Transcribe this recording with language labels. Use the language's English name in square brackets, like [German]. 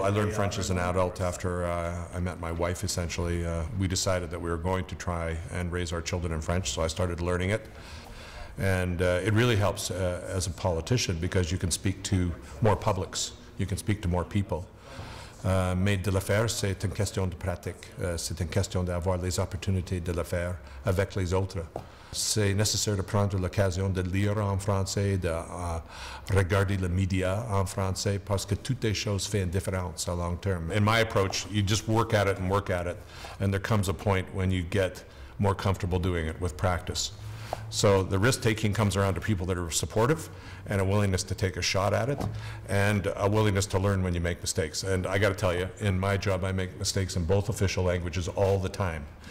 [English] I learned French as an adult after I met my wife, essentially. We decided that we were going to try and raise our children in French, so I started learning it. And it really helps as a politician because you can speak to more publics, you can speak to more people. [French] Mais de le faire, c'est une question de pratique. C'est une question d'avoir les opportunités de le faire avec les autres. C'est nécessaire de prendre l'occasion de lire en français, de regarder les médias en français, parce que toutes les choses font une différence à long terme. [English] In my approach, you just work at it and work at it, and there comes a point when you get more comfortable doing it with practice. So the risk-taking comes around to people that are supportive and a willingness to take a shot at it and a willingness to learn when you make mistakes. And I got to tell you, in my job, I make mistakes in both official languages all the time.